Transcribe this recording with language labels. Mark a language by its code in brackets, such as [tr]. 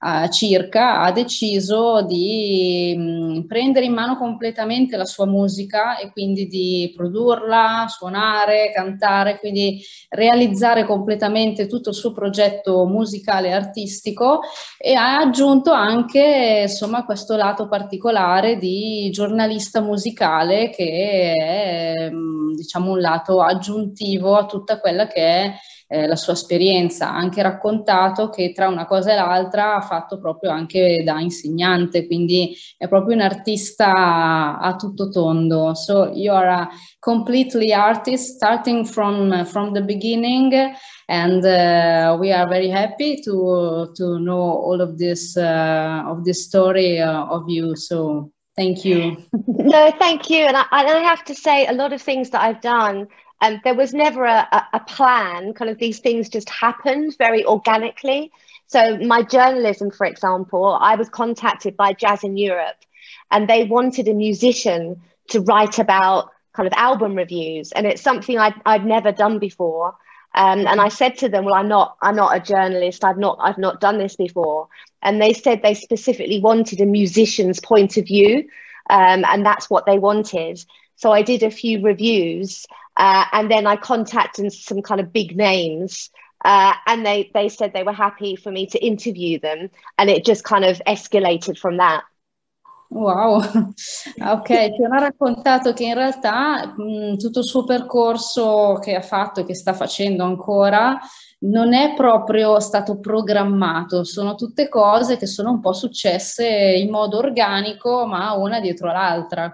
[it] circa ha deciso di prendere in mano completamente la sua musica e quindi di produrla, suonare, cantare, quindi realizzare completamente tutto il suo progetto musicale e artistico, e ha aggiunto anche, insomma, questo lato particolare di giornalista musicale, che è, diciamo, un lato aggiuntivo a tutta quella che è la sua esperienza. Ha anche raccontato che tra una cosa e l'altra ha fatto proprio anche da insegnante, quindi è proprio un artista a tutto tondo. [en] So you are a completely artist starting from the beginning, and we are very happy to know all of this story of you. So thank you. No, thank you. And I have to say, a lot of things that I've done, there was never a plan. Kind of these things just happened very organically. So my journalism, for example, I was contacted by Jazz in Europe, and they wanted a musician to write about kind of album reviews, and it's something I'd never done before. And I said to them, "Well, I'm not a journalist. I've not done this before." And they said they specifically wanted a musician's point of view, and that's what they wanted. So I did a few reviews, and then I contacted some kind of big names, and they said they were happy for me to interview them, and it just kind of escalated from that. [it] Wow, ok, ti ha raccontato che in realtà tutto il suo percorso che ha fatto e che sta facendo ancora non è proprio stato programmato, sono tutte cose che sono un po' successe in modo organico, ma una dietro l'altra.